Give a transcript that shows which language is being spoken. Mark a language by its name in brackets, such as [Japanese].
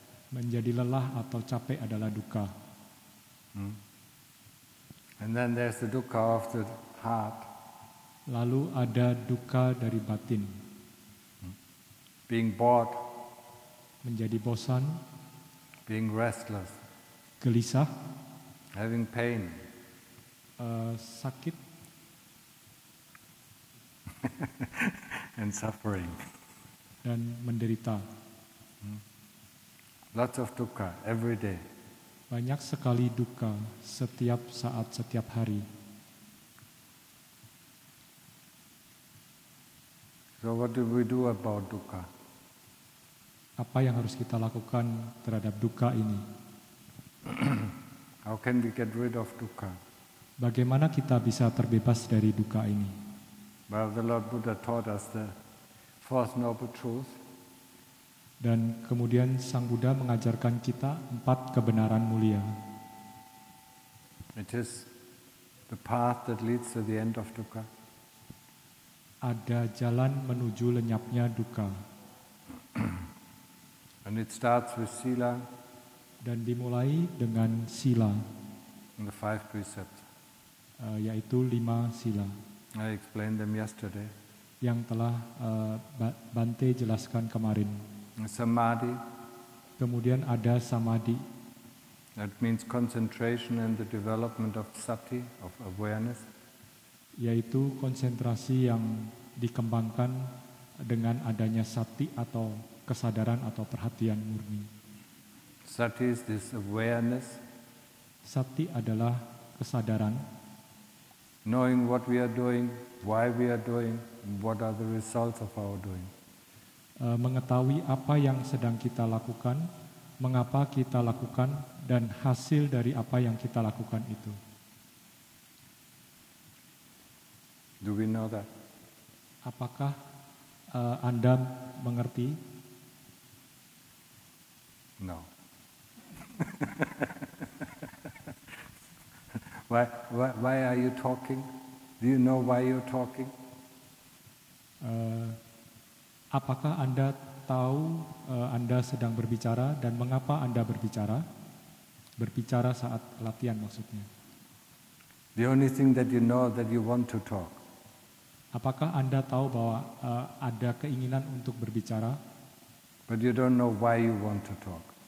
[Indonesian] Menjadi lelah atau capek adalah dukkha. [English] And then there's the dukkha of the heart. [Indonesian] Lalu ada dukkha dari batin. [English] Being bored. [Indonesian] Menjadi bosan. [English] Being restless. [Indonesian] Gelisah. [English] Having pain. [Indonesian] Sakit. [English] And suffering. [Indonesian] Dan menderita. [English] Lots of dukkha every day. [Indonesian] Banyak sekali dukkha setiap saat, setiap hari. [English] So what do we do about dukkha? [Indonesian] Apa yang harus kita lakukan terhadap dukkha ini? [English] How can we get rid of dukkha? [Indonesian] Bagaimana kita bisa terbebas dari dukkha ini? [English] Well, the Lord Buddha taught us the Fourth Noble Truth. [Indonesian] Dan kemudian Sang Buddha mengajarkan kita empat kebenaran mulia. [English] It is the path that leads to the end of dukkha. [Indonesian] Ada jalan menuju lenyapnya dukkha. [English] And it starts with sila. [Indonesian] Dan dimulai dengan sila. [English] The five precepts. [Indonesian] Yaitu lima sila. [English] I explained them yesterday. [Indonesian] Yang telah Bante jelaskan kemarin. [English] Samadhi. [Indonesian] Kemudian ada samadhi. [English] That means concentration and the development of sati, of awareness. [Indonesian] Yaitu konsentrasi yang dikembangkan dengan adanya sati atau kesadaran atau perhatian murni. [English] Sati is this awareness. [Indonesian] Sati adalah kesadaran. [English] Knowing what we are doing, why we are doing, what are the results of our doing. [Indonesian] Mengetahui apa yang sedang kita lakukan, mengapa kita lakukan, dan hasil dari apa yang kita lakukan itu. [English] Do we know that? [Indonesian] Apakah Anda mengerti? [English] No. Why are you talking? Do you know why you're talking? [Indonesian] Apakah Anda tahu Anda sedang berbicara dan mengapa Anda berbicara? Berbicara saat latihan maksudnya. [English] The only thing that you know that you want to talk. [Indonesian] Apakah Anda tahu bahwa ada keinginan untuk berbicara? [English] But you don't know why you want to talk.